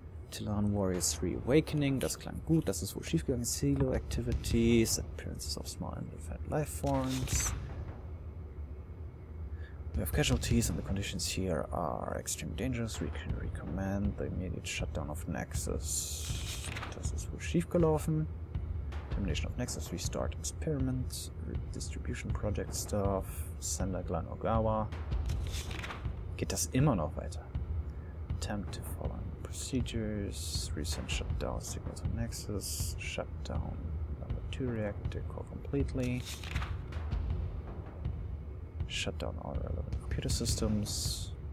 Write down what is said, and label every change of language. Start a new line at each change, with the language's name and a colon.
German: Talon Warriors Reawakening, das klang gut, das ist wohl schiefgegangen.
English: Silo Activities, Appearances of Small and Infant Life Forms. We have casualties and the conditions here are extremely dangerous. We can recommend the immediate shutdown of Nexus.
German: Das ist wohl schiefgelaufen.
English: Termination of Nexus, restart experiment, redistribution project stuff, sender Glenn Ogawa.
German: Geht das immer noch weiter?
English: Attempt to follow procedures, recent shutdown signals on Nexus, shutdown number 2 reactor core completely, shutdown all relevant computer systems.